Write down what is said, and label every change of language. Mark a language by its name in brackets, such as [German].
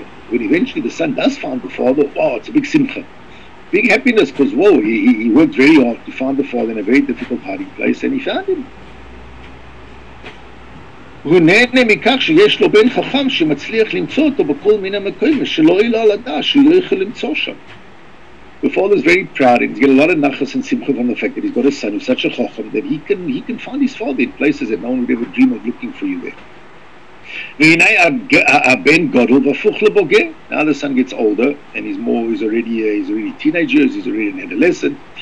[English] When eventually the son does find the father, wow, it's a big simcha. Big happiness, because whoa, he worked very hard to find the father in a very difficult hiding place, and he found him. [Hebrew] הוא נהנה מכך שיש לו בן חכם שמצליח למצוא אותו בכל מיני מקומים שלא יעלה על הדעת שהוא לא יכול למצוא שם. [English] The father is very proud and he's got a lot of nachas and simcha from the fact that he's got a son who's such a chacham that he can find his father in places that no one would ever dream of looking for you there. [Hebrew] והנה הבן גדל והפוך לבוגר. [English] Now the son gets older and he's already teenager, he's already an adolescent.